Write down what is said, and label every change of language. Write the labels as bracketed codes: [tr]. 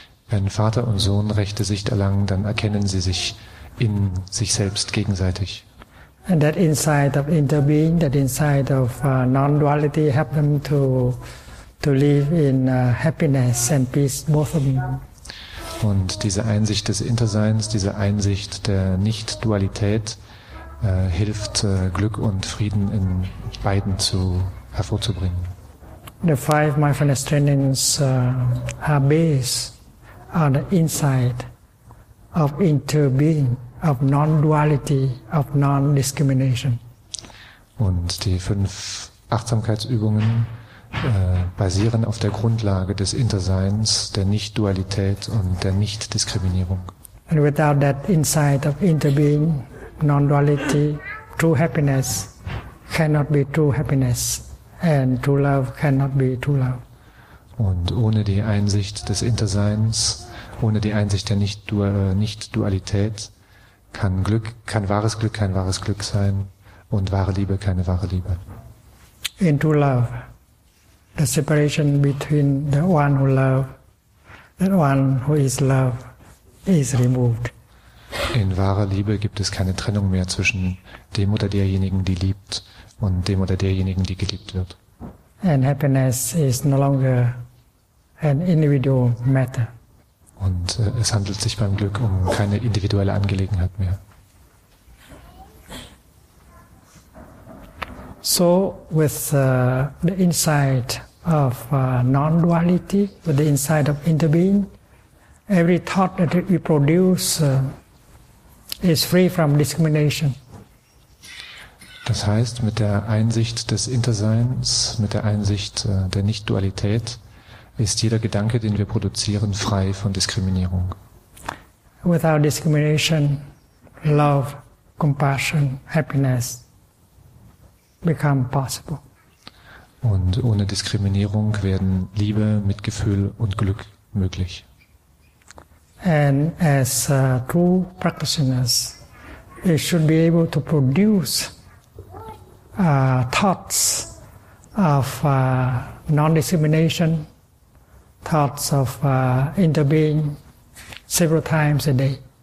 [de] Wenn Vater und Sohn rechte Sicht erlangen, dann erkennen sie sich in sich selbst gegenseitig. [en] And that insight of interbeing, that insight of non-duality help them to live in happiness and peace, both of them. [de] Und diese Einsicht des Interseins, diese Einsicht der Nicht-Dualität hilft Glück und Frieden in beiden hervorzubringen. [en] The five mindfulness trainings are based on the insight of interbeing, of non-duality, of non-discrimination. [de] Und die fünf Achtsamkeitsübungen basieren auf der Grundlage des Interseins, der Nicht-Dualität und der Nicht-Diskriminierung. [en] And without that insight of interbeing, non-duality, true happiness cannot be true happiness, and true love cannot be true love. [de] Und ohne die Einsicht des Interseins, ohne die Einsicht der Nicht-Dualität, kann Glück, kein wahres Glück sein und wahre Liebe keine wahre Liebe. [en] In true love, the separation between the one who loves and the one who is loved is removed. [de] In wahrer Liebe gibt es keine Trennung mehr zwischen dem oder derjenigen, die liebt, und dem oder derjenigen, die geliebt wird. [en] And happiness is no longer an individual matter. [de] Und es handelt sich beim Glück um keine individuelle Angelegenheit mehr. [en] So, with the insight of non-duality, with the insight of interbeing, every thought that we produce is free from discrimination. [de] Das heißt, mit der Einsicht des Interseins, mit der Einsicht der Nicht-Dualität, ist jeder Gedanke, den wir produzieren, frei von Diskriminierung. [en] Without discrimination, love, compassion, happiness become possible. [de] Und ohne Diskriminierung werden Liebe, Mitgefühl und Glück möglich. [en] And as true practitioners, we should be able to produce thoughts of non-discrimination, thoughts of interbeing several times a day.